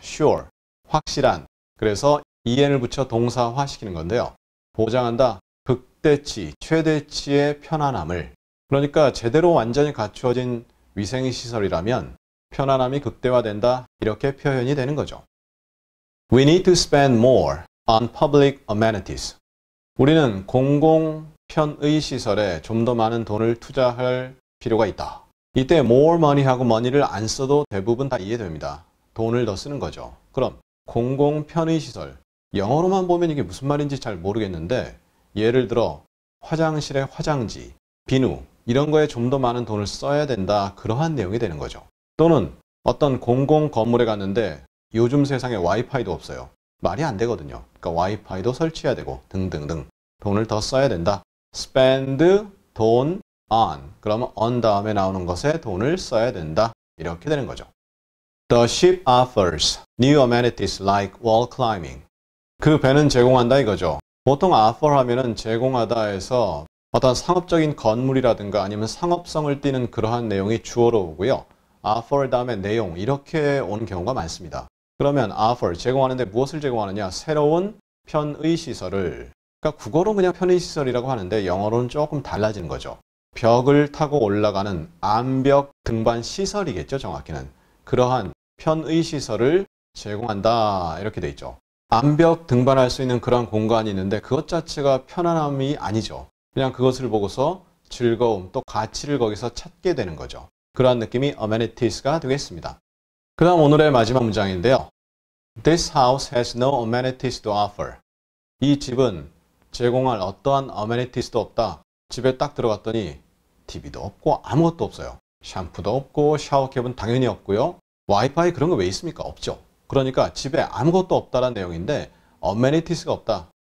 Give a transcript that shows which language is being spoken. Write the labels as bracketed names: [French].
[Korean] sure, 확실한. 그래서 en을 붙여 동사화 시키는 건데요. 보장한다. 극대치, 최대치의 편안함을. 그러니까 제대로 완전히 갖추어진 위생시설이라면 편안함이 극대화된다. 이렇게 표현이 되는 거죠. [English] We need to spend more on public amenities. [Korean] 우리는 공공편의시설에 좀 더 많은 돈을 투자할 필요가 있다. 이때 [English] more money [Korean] 하고 money를 안 써도 대부분 다 이해됩니다. 돈을 더 쓰는 거죠. 그럼 공공편의시설. 영어로만 보면 이게 무슨 말인지 잘 모르겠는데 예를 들어 화장실의 화장지, 비누 이런 거에 좀 더 많은 돈을 써야 된다 그러한 내용이 되는 거죠. 또는 어떤 공공 건물에 갔는데 요즘 세상에 와이파이도 없어요. 말이 안 되거든요. 그러니까 와이파이도 설치해야 되고 등등등 돈을 더 써야 된다. Spend 돈 on, 그러면 on 다음에 나오는 것에 돈을 써야 된다 이렇게 되는 거죠. [English] The ship offers new amenities like wall climbing. [Korean] 그 배는 제공한다 이거죠. 보통 offer 하면은 제공하다 해서 어떤 상업적인 건물이라든가 아니면 상업성을 띠는 그러한 내용이 주어로 오고요. offer 다음에 내용 이렇게 오는 경우가 많습니다. 그러면 offer 제공하는데 무엇을 제공하느냐? 새로운 편의 시설을. 그러니까 국어로는 그냥 편의 시설이라고 하는데 영어로는 조금 달라지는 거죠. 벽을 타고 올라가는 암벽 등반 시설이겠죠, 정확히는. 그러한 편의 시설을 제공한다. 이렇게 돼 있죠. 암벽 등반할 수 있는 그런 공간이 있는데 그것 자체가 편안함이 아니죠. 그냥 그것을 보고서 즐거움 또 가치를 거기서 찾게 되는 거죠. 그러한 느낌이 amenities가 되겠습니다. 그 다음 오늘의 마지막 문장인데요. [English] This house has no amenities to offer. [Korean] 이 집은 제공할 어떠한 amenities도 없다. 집에 딱 들어갔더니 TV도 없고 아무것도 없어요. 샴푸도 없고 샤워캡은 당연히 없고요. 와이파이 그런 거왜 있습니까? 없죠. 그러니까 집에 아무것도 없다라는 내용인데 amenities가 없다.